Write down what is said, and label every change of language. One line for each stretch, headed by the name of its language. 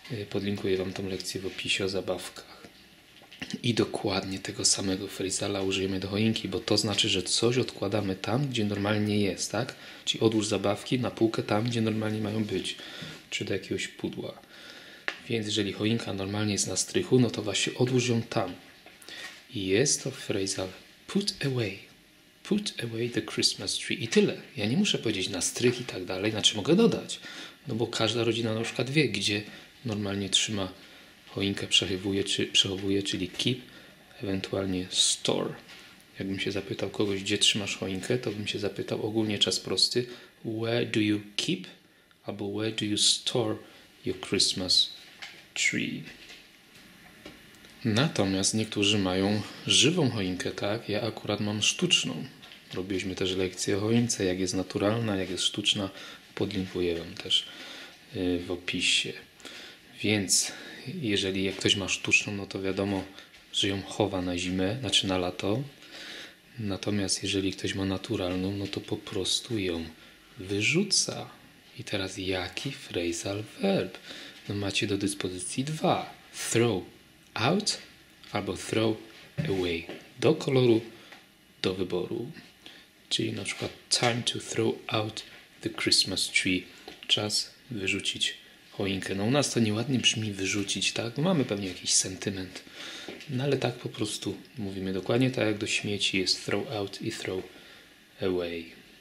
Polish: Podlinkuję wam tą lekcję w opisie o zabawkach. I dokładnie tego samego phrasala użyjemy do choinki, bo to znaczy, że coś odkładamy tam, gdzie normalnie jest, tak? Czyli odłóż zabawki na półkę tam, gdzie normalnie mają być, czy do jakiegoś pudła. Więc jeżeli choinka normalnie jest na strychu, no to właśnie odłóż ją tam. I jest to phrasal
English: put away. Put away the Christmas tree.
Polish: I tyle. Ja nie muszę powiedzieć na strych i tak dalej. Znaczy mogę dodać. No bo każda rodzina na przykład wie, gdzie normalnie trzyma choinkę, przechowuje, czyli keep, ewentualnie store. Jakbym się zapytał kogoś, gdzie trzymasz choinkę, to bym się zapytał ogólnie czas prosty.
English: Where do you keep?
Polish: Albo
English: where do you store your Christmas tree.
Polish: Natomiast niektórzy mają żywą choinkę, tak? Ja akurat mam sztuczną. Robiliśmy też lekcje o choince, jak jest naturalna, jak jest sztuczna. Podlinkuję Wam też w opisie. Więc jeżeli ktoś ma sztuczną, no to wiadomo, że ją chowa na zimę, znaczy na lato. Natomiast jeżeli ktoś ma naturalną, no to po prostu ją wyrzuca. I teraz jaki phrasal verb? No macie do dyspozycji dwa.
English: Throw out
Polish: albo
English: throw away.
Polish: Do koloru, do wyboru. Czyli na przykład
English: time to throw out the Christmas tree.
Polish: Czas wyrzucić choinkę. No u nas to nieładnie brzmi wyrzucić, tak? Mamy pewnie jakiś sentyment. No ale tak po prostu mówimy. Dokładnie tak jak do śmieci jest
English: throw out
Polish: i
English: throw away.